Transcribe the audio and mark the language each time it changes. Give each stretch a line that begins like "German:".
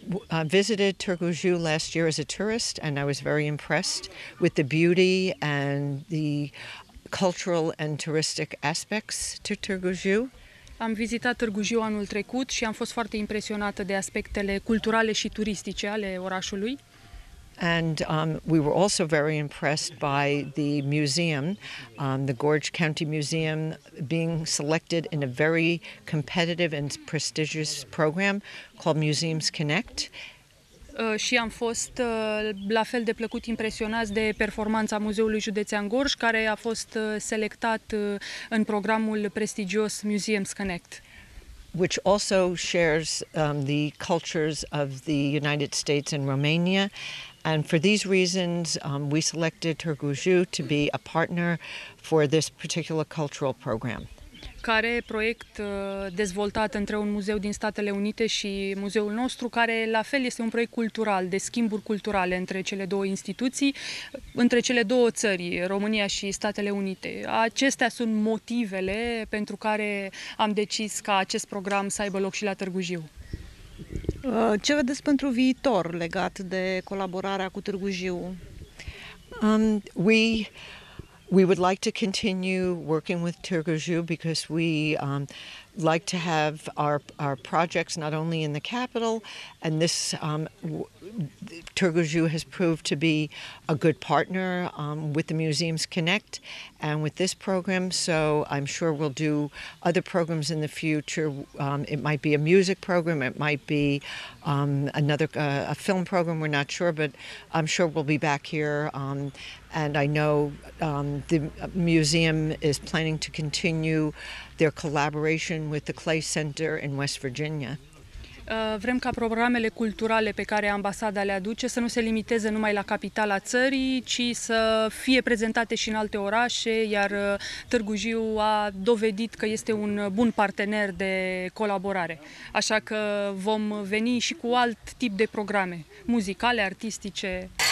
English: I visited Târgu Jiu last year as a tourist and I was very impressed with the beauty and the cultural and touristic aspects to Târgu Jiu.
Romanian: Am vizitat Târgu Jiu anul trecut și am fost foarte impresionată de aspectele culturale și turistice ale orașului.
English: And we were also very impressed by the museum, the Gorj County Museum, being selected in a very competitive and prestigious program called Museums Connect.
Romanian: Și am fost la fel de plăcut impresionați de performanța Muzeului Județean Gorj, care a fost selectat în programul prestigios Museums Connect.
English: Which also shares the cultures of the United States and Romania. And for these reasons, we selected Târgu Jiu to be a partner for this particular cultural program.
Romanian: Care proiect dezvoltat între un muzeu din Statele Unite și muzeul nostru, care la fel este un proiect cultural, de schimburi culturale între cele două instituții, între cele două țări, România și Statele Unite. Acestea sunt motivele pentru care am decis ca acest program să aibă loc și la Târgu Jiu. Ce vedeți pentru viitor legat de colaborarea cu Târgu Jiu?
English: We We would like to continue working with Târgu Jiu because we like to have our projects not only in the capital, and this Târgu Jiu has proved to be a good partner with the Museums Connect and with this program, so I'm sure we'll do other programs in the future. It might be a music program, it might be another film program, we're not sure, but I'm sure we'll be back here. And I know the museum is planning to continue their collaboration with the Clay Center in West Virginia.
Romanian: Vrem ca programele culturale pe care ambasada le aduce să nu se limiteze numai la capitala țării, ci să fie prezentate și în alte orașe, iar Târgu Jiu a dovedit că este un bun partener de colaborare. Așa că vom veni și cu alt tip de programe, muzicale, artistice.